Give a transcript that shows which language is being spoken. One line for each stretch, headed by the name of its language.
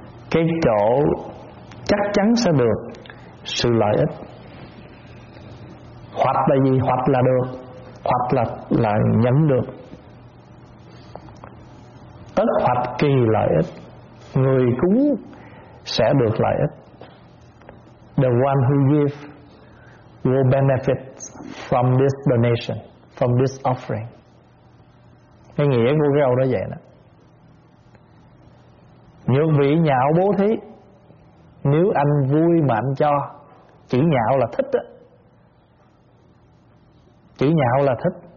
Vietnamese: Cái chỗ chắc chắn sẽ được sự lợi ích. Hoặc là gì? Hoặc là được, hoặc là nhận được. Tất hoặc kỳ lợi ích, người cúng sẽ được lợi ích.
English: The one who gives will benefit from this donation, from this offering.
Vietnamese: Cái nghĩa của cái câu đó vậy đó. Nhược vị nhạo bố thí, nếu anh vui mà anh cho. Chỉ nhạo là thích đó. Chỉ nhạo là thích.